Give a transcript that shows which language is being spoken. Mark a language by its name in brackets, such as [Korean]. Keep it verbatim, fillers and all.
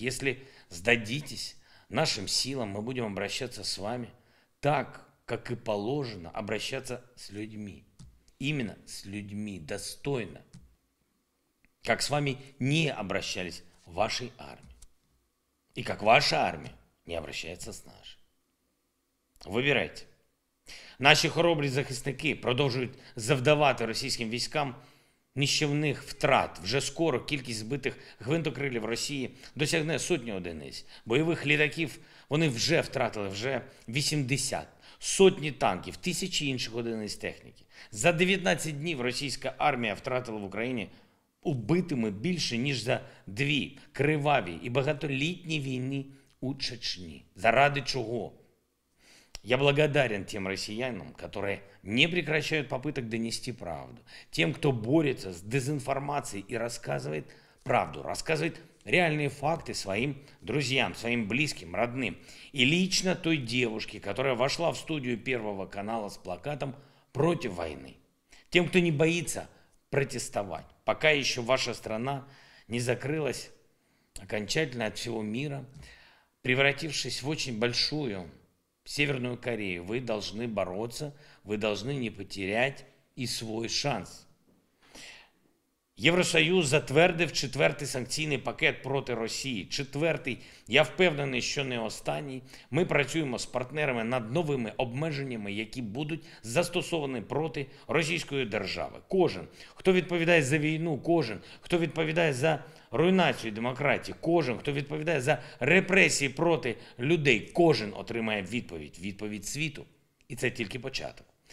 [Russian] Если сдадитесь нашим силам, мы будем обращаться с вами так, как и положено, обращаться с людьми. Именно с людьми, достойно. Как с вами не обращались в вашей армии. И как ваша армия не обращается с нашей. Выбирайте. [Ukrainian] Наші хоробрі захисники продовжують завдавати російським військам нищівних втрат. Вже скоро кількість збитих гвинтокрилів Росії досягне сотні одиниць. Бойових літаків вони вже втратили, вже вісімдесят. Сотні танків, тисячі інших одиниць техніки. За дев'ятнадцять днів російська армія втратила в Україні убитими більше, ніж за дві криваві і багатолітні війни у Чечні. Заради чого? [Russian] Я благодарен тем россиянам, которые не прекращают попыток донести правду. Тем, кто борется с дезинформацией и рассказывает правду, рассказывает реальные факты своим друзьям, своим близким, родным. И лично той девушке, которая вошла в студию Первого канала с плакатом против войны. Тем, кто не боится протестовать. Пока еще ваша страна не закрылась окончательно от всего мира, превратившись в очень большую Северную Корею, вы должны бороться, вы должны не потерять и свой шанс. [Ukrainian] Євросоюз затвердив четвертий санкційний пакет проти Росії. Четвертий, я впевнений, що не останній. Ми працюємо з партнерами над новими обмеженнями, які будуть застосовані проти російської держави. Кожен, хто відповідає за війну, кожен, хто відповідає за руйнацію демократії, кожен, хто відповідає за репресії проти людей, кожен отримає відповідь, відповідь світу. І це тільки початок.